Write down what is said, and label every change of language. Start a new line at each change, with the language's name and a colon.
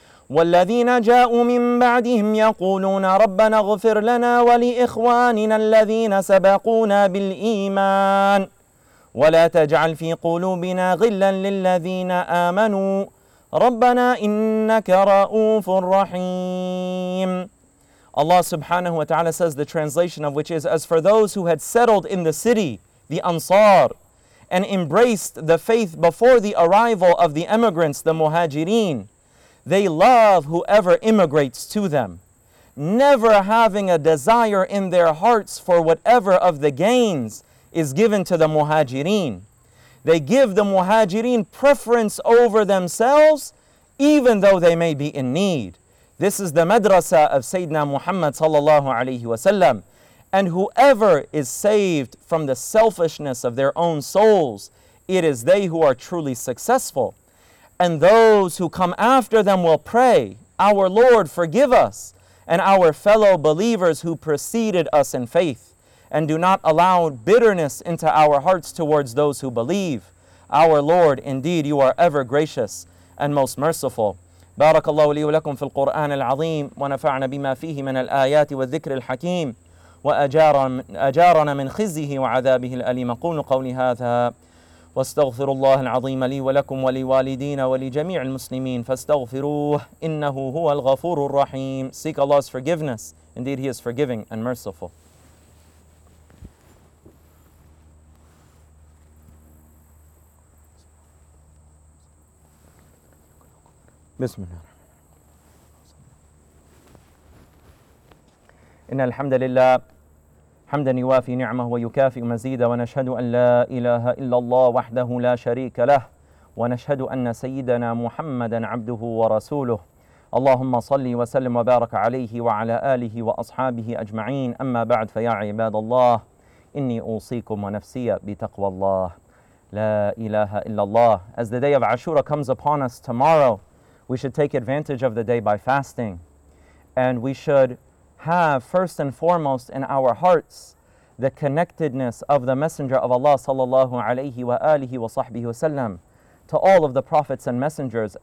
Arabic: والذين جاءوا من بعدهم يقولون ربنا اغفر لنا ولإخواننا الذين سبقونا بالإيمان ولا تجعل في قلوبنا غلا للذين آمنوا ربنا إنك رؤوف رحيم.
English: Allah subhanahu wa ta'ala says, the translation of which is, as for those who had settled in the city, the Ansar, and embraced the faith before the arrival of the emigrants, the Muhajireen, they love whoever immigrates to them, never having a desire in their hearts for whatever of the gains is given to the Muhajireen. They give the Muhajireen preference over themselves, even though they may be in need. This is the madrasa of Sayyidina Muhammad sallallahu alayhi wa sallam. And whoever is saved from the selfishness of their own souls, it is they who are truly successful. And those who come after them will pray, "Our Lord, forgive us and our fellow believers who preceded us in faith, and do not allow bitterness into our hearts towards those who believe. Our Lord, indeed, you are ever gracious and most merciful."
Arabic: بارك الله لي ولكم في القرآن العظيم ونفعنا بما فيه من الآيات والذكر الحكيم وأجارنا من خزيه وعذابه الأليم. أقول قولي هذا واستغفر الله العظيم لي ولكم ولوالدينا ولجميع المسلمين فاستغفروه إنه هو الغفور الرحيم.
English: Seek Allah's forgiveness. Indeed, He is forgiving and merciful.
Arabic: بسم الله. إن الحمد لله حمدا يوافي نعمه ويكافئ مزيدا ونشهد أن لا إله إلا الله وحده لا شريك له ونشهد أن سيدنا محمدا عبده ورسوله. اللهم صل وسلم وبارك عليه وعلى آله وأصحابه أجمعين. أما بعد فيا عباد الله إني أوصيكم ونفسي بتقوى الله لا إله إلا الله.
English: As the day of Ashura comes upon us tomorrow, we should take advantage of the day by fasting. And we should have first and foremost in our hearts the connectedness of the Messenger of Allah sallallahu alayhi wa alihi wa sahbihi wa sallam to all of the prophets and messengers.